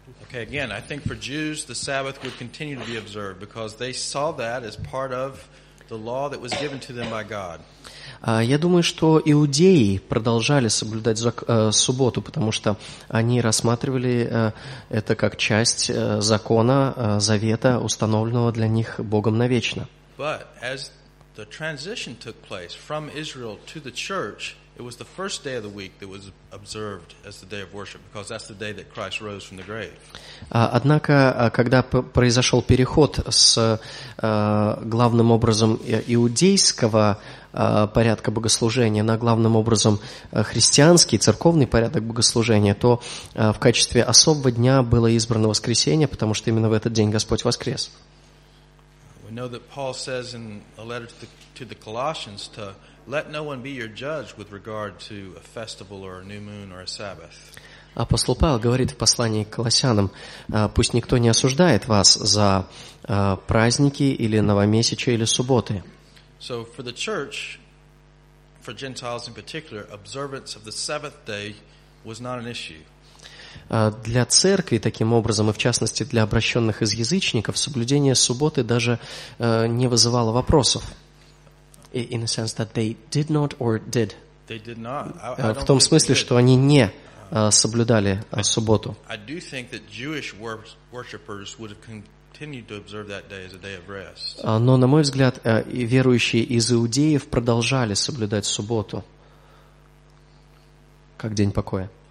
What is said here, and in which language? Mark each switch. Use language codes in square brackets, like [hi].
[en] Okay, again, I think for Jews, the Sabbath would continue to be observed because they saw that as part of the law that was given to them by God. [ru] Я думаю, что иудеи продолжали соблюдать субботу, потому что они рассматривали это как часть закона, завета, установленного для них Богом навечно. [en] But as the transition took place from Israel to the church, it was the first day of the week that was observed as the day of worship, because that's the day that Christ rose from the grave. [ru] Однако, когда произошел переход с главным образом иудейского порядка богослужения на главным образом христианский, церковный порядок богослужения, то в качестве особого дня было избрано воскресенье, потому что именно в этот день Господь воскрес. [en] We know that Paul says in a letter to the Colossians to let no one be your judge with regard to a festival or a new moon or a Sabbath. [ru] Апостол Павел говорит в послании к Колоссянам, пусть никто не осуждает вас за праздники или новомесячие или субботы. [en] So for the church, for Gentiles in particular, observance of the seventh day was not an issue. [ru] Для церкви, таким образом, и в частности для обращенных из язычников, соблюдение субботы даже не вызывало вопросов. [en] In a sense that they did not or did. They did not. [ru] В том смысле, что они не соблюдали субботу. [en] I do think that Jewish worshippers would have continued to observe that day as a day of rest. [ru] Но, на мой взгляд, верующие из иудеев продолжали соблюдать субботу как день покоя.